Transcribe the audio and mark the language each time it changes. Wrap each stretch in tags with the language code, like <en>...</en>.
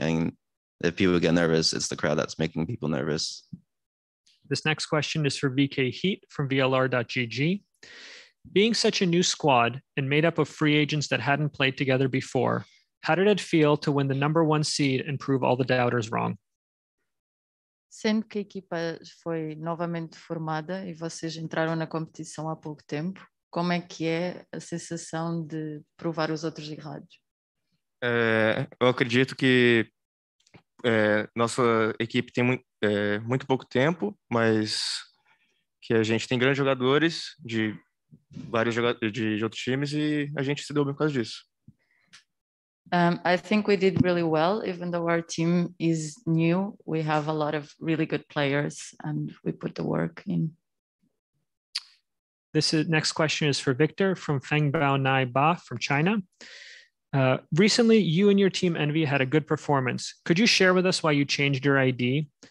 <en>And if people get nervous, it's the crowd that's making people nervous. This next question is for VK Heat from VLR.gg. Being such a new squad and made up of free agents that hadn't played together before, how did it feel to win the number one seed and prove all the doubters wrong?</en> <pt>Sendo que a equipa foi novamente formada e vocês entraram na competição há pouco tempo. Como é que é a sensação de provar os outros errados? Eu acredito que nossa equipe tem muito pouco tempo, mas que a gente tem grandes jogadores de vários de outros times e a gente se deu bem por causa disso.</pt> <en>I think we did really well, even though our team is new. We have a lot of really good players and we put the work in. This is, next question is for Victor from Fengbao Nai Ba from China. Recently, you and your team Envy had a good performance. Could you share with us why you changed your ID?</en>